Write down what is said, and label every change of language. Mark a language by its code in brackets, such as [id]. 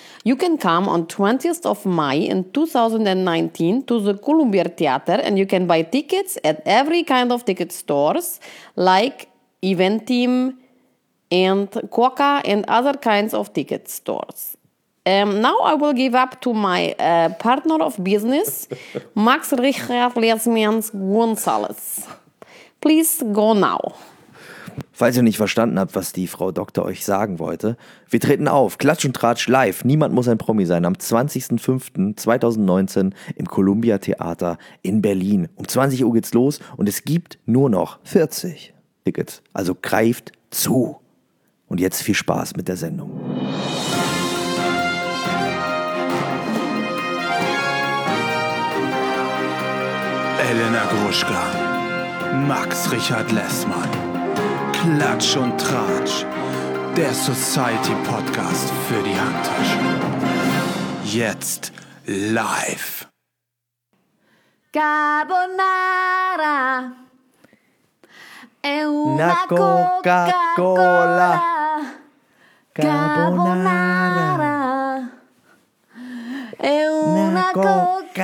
[en] You can come on 20th of May in 2019 to the Columbia Theater, and you can buy tickets at every kind of ticket stores like Eventim and Quokka and other kinds of ticket stores. Now I will give up to my partner of business, Max Richard Lesmians Gonzalez. Please go now. [de] Falls ihr nicht verstanden habt, was die Frau Doktor euch sagen wollte, wir treten auf, Klatsch und Tratsch live, Niemand muss ein Promi sein, am 20.05.2019 im Columbia Theater in Berlin. Um 20 Uhr geht's los und es gibt nur noch 40 Tickets. Also greift zu. Und jetzt viel Spaß mit der Sendung. Elena Gruschka, Max Richard Lessmann, Klatsch und Tratsch, der Society-Podcast für die Handtasche. Jetzt live. [it] Carbonara è una Coca-Cola. Carbonara è una Coca-Cola.